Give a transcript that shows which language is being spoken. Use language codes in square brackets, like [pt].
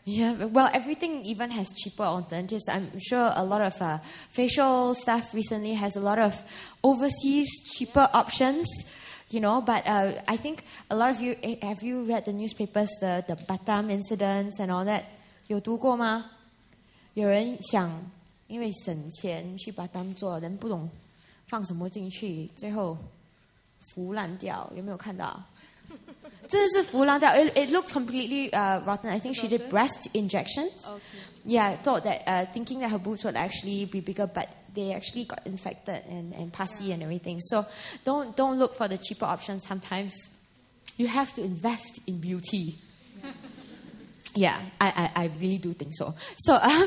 [en] Yeah. Well, everything even has cheaper alternatives. I'm sure a lot of facial stuff recently has a lot of overseas cheaper options. You know, but I think a lot of you have you read the newspapers, the Batam incidents and all that. [zh] 有读过吗？有人想因为省钱去 Batam 做, 人不懂放什么进去, 最后 腐烂掉，有没有看到？真的是腐烂掉。 [en] It looked completely rotten. I think she did breast injections. Okay. Yeah, thought that thinking that her boobs would actually be bigger, but they actually got infected and pussy and everything. So don't look for the cheaper options. Sometimes you have to invest in beauty. Yeah, I really do think so. So